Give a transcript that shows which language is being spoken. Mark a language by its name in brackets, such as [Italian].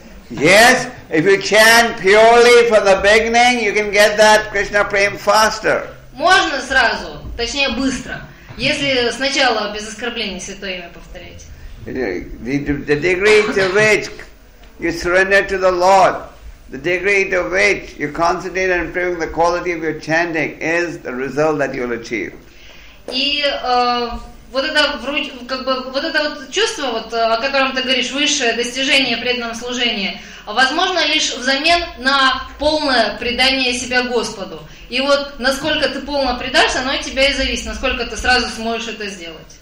[English] Yes, if you chant purely from the beginning, you can get that Krishna Prem faster. [Russian] Можно сразу, точнее быстро, если сначала без оскорблений святое имя повторять. [English] The degree to which you surrender to the Lord, the degree to which you concentrate on improving the quality of your chanting is the result that you will achieve. [Russian] И вот это вроде как бы вот это вот чувство, вот о котором ты говоришь, высшее достижение преданного служения, возможно лишь взамен на полное предание себя Господу. И вот насколько ты полно предашься, оно от тебя и зависит, насколько ты сразу сможешь это сделать.